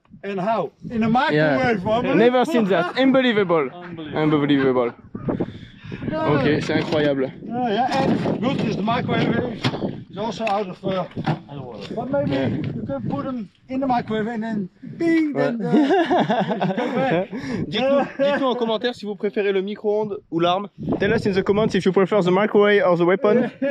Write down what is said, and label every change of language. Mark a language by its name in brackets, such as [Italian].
[English] And how? In a microwave, yeah. Never seen that. Unbelievable. Unbelievable. [French] Ok, c'est incroyable. [English] Yeah, and good is the microwave is also out of but maybe you can put them in the microwave and then ping, then the... [French] dites-nous en commentaire si vous préférez le micro-ondes ou l'arme. [English] Tell us in the comments if you prefer the microwave or the weapon.